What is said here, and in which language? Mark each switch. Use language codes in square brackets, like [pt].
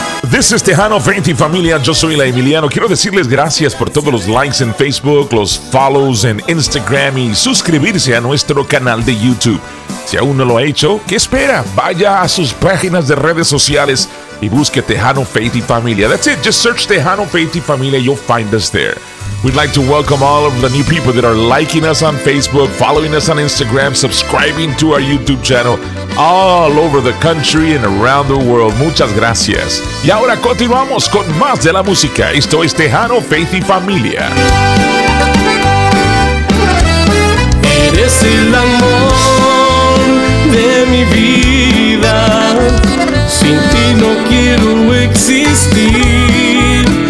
[en] This is Tejano, 20 Familia, yo soy la Emiliano. [es] Quiero decirles gracias por todos los likes en Facebook, los follows en Instagram y suscribirse a nuestro canal de YouTube. Si aún no lo ha hecho, ¿qué espera? Vaya a sus páginas de redes sociales y busque Tejano, 20 Familia. [en] That's it, just search Tejano, 20 Familia, you'll find us there. We'd like to welcome all of the new people that are liking us on Facebook, following us on Instagram, subscribing to our YouTube channel, all over the country and around the world. [es] Muchas gracias. Y ahora continuamos con más de la música. Esto es Tejano, Faith y Familia. Eres el amor de mi vida. Sin ti no quiero existir.